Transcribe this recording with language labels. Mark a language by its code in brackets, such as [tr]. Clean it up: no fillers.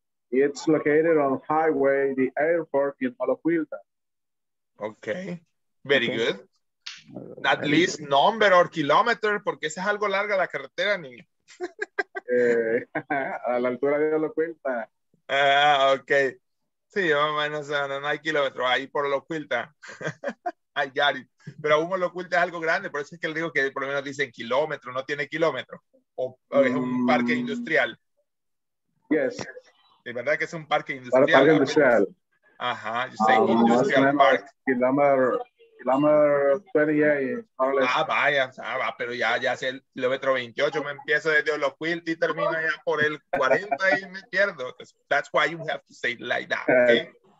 [en] It's located on highway, the airport in Malapuilta. Okay, very okay. Good. At least number or kilometer, [es] porque esa es algo larga la carretera, niño. A la altura de Malapuilta. [en] Okay. [es] Sí, más o menos no hay kilómetro ahí por Malapuilta. [en] I got it. [es] Pero aún Malapuilta es algo grande, por eso es que le digo que por lo menos dicen kilómetro, no tiene kilómetro. O es un parque industrial. [en] Yes. [es] De verdad que es un parque industrial. Parque industrial. [en] Ajá, you say industrial park. [es] Kilómetro 28. Ah, vaya, pero ya es el kilómetro 28. Me empiezo desde Olocuilt y termino ya por el 40 y me pierdo. [en] That's why you have to say it like that, okay?